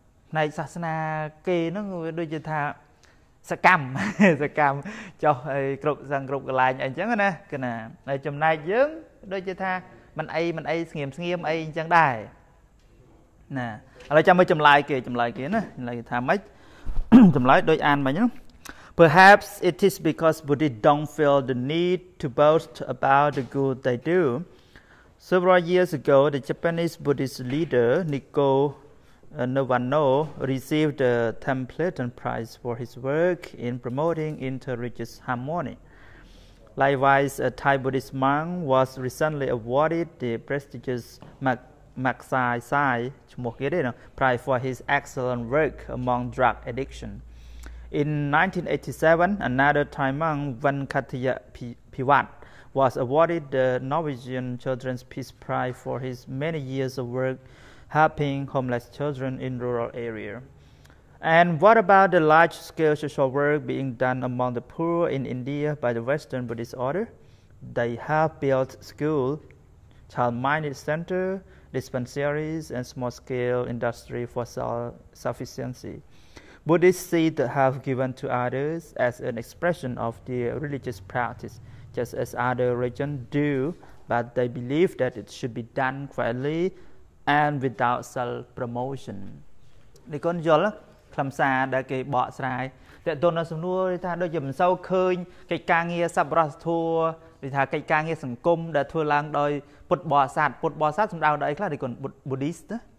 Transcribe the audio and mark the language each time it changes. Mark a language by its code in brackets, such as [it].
[km] ផ្នែកសាសនាគេនោះដូចជាថាសកម្មចុះឲ្យគ្រប់សឹងគ្រប់កន្លែងអីអញ្ចឹងណាគឺណាហើយចំណែកយើងដូចជាថាមិនអីស្ងៀមស្ងៀមអីអញ្ចឹងដែរណាឥឡូវចាំមើលចម្លើយគេណាចម្លើយថាម៉េចចម្លើយដូចអានមិញ [en] Perhaps it is because Buddhists don't feel the need to boast about the good they do. Several years ago, the Japanese Buddhist leader Nikko Novano received the Templeton Prize for his work in promoting inter-religious harmony. Likewise, a Thai Buddhist monk was recently awarded the prestigious Maksai Sai Prize for his excellent work among drug addiction. In 1987, another Thai monk, Venkataya Pivat, was awarded the Norwegian Children's Peace Prize for his many years of work helping homeless children in rural area. And what about the large-scale social work being done among the poor in India by the Western Buddhist order? They have built school, child-minded center, dispensaries, and small-scale industry for self-sufficiency. Buddhists see the help given to others as an expression of their religious practice, just as other religions do, but they believe that it should be done quietly, and without self promotion [km] នេះកូនយល់ខ្លឹមសារដែលគេបកស្រាយតើតើនៅសំណួរថាដូចជាមិនសូវឃើញកិច្ចការងារសប្បុរសធម៌ឬថាកិច្ចការងារសង្គមដែលធ្វើឡើងដោយពុទ្ធបរិស័ទសំដៅដល់អីខ្លះនេះកូន [en] Buddhist